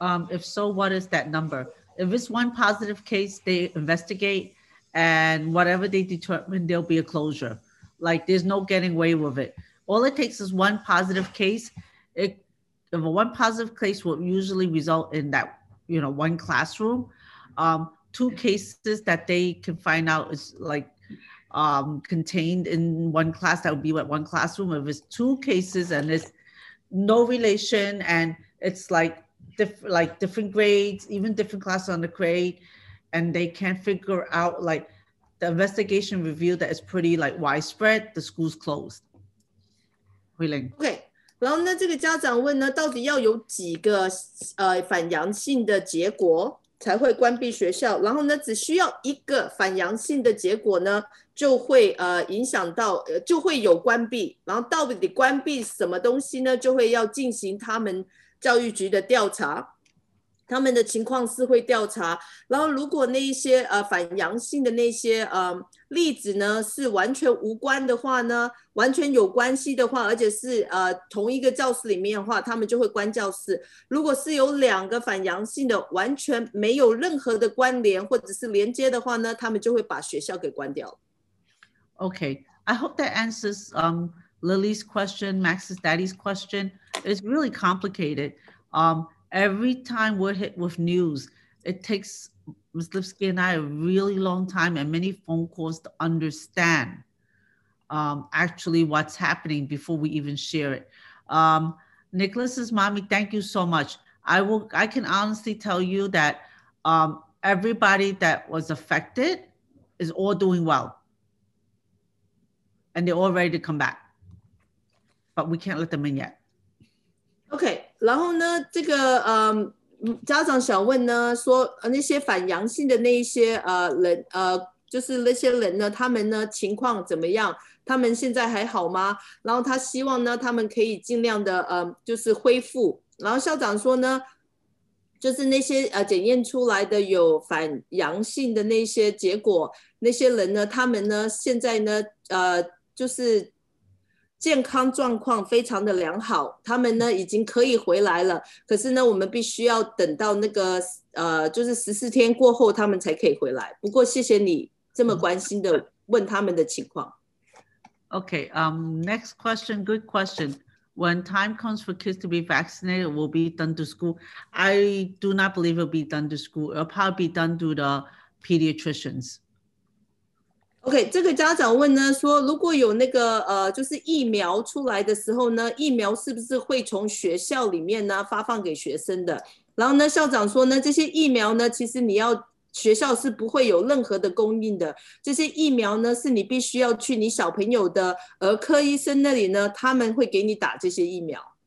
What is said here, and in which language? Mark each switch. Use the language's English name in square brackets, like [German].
[English] If so, what is that number? If it's one positive case, they investigate, and whatever they determine, there'll be a closure. Like there's no getting away with it. All it takes is one positive case. If one positive case will usually result in that, you know, one classroom, two cases that they can find out is like contained in one class, that would be at one classroom. If it's two cases and it's no relation and it's like different grades, even different classes on the grade, and they can't figure out, like the investigation revealed that it's pretty like widespread, the school's closed. [Chinese] OK, 然后呢，这个家长问呢，到底要有几个反阳性的结果？才会关闭学校，然后呢，只需要一个反阳性的结果呢，就会影响到就会有关闭，然后到底关闭什么东西呢，就会要进行他们教育局的调查，他们的情况是会调查，然后如果那一些反阳性的那些例子呢是完全无关的话呢，完全有关系的话，而且是同一个教室里面的话，他们就会关教室。如果是有两个反阳性的，完全没有任何的关联或者是连接的话呢，他们就会把学校给关掉。 [English] Okay, I hope that answers Lily's question, Max's daddy's question. It's really complicated. Every time we're hit with news, it takes Ms. Lipsky and I a really long time and many phone calls to understand actually what's happening before we even share it. Nicholas's mommy, thank you so much. I can honestly tell you that everybody that was affected is all doing well. And they're all ready to come back. But we can't let them in yet. Okay. [Chinese] 然后呢，这个家长想问呢，说那些反阳性的那一些人就是那些人呢，他们呢情况怎么样？他们现在还好吗？然后他希望呢，他们可以尽量的就是恢复。然后校长说呢，就是那些检验出来的有反阳性的那些结果，那些人呢，他们呢现在呢就是。健康状况非常的良好，他们呢已经可以回来了，可是呢我们必须要等到那个就是14天过后他们才可以回来，不过谢谢你这么关心的问他们的情况。 [English] Okay, next question, good question. When time comes for kids to be vaccinated, will be done to school? I do not believe it will be done to school. It will probably be done to the pediatricians. [Chinese] OK, 这个家长问呢说如果有那个就是疫苗出来的时候呢，疫苗是不是会从学校里面呢发放给学生的，然后呢校长说呢，这些疫苗呢其实你要学校是不会有任何的供应的，这些疫苗呢是你必须要去你小朋友的儿科医生那里呢，他们会给你打这些疫苗。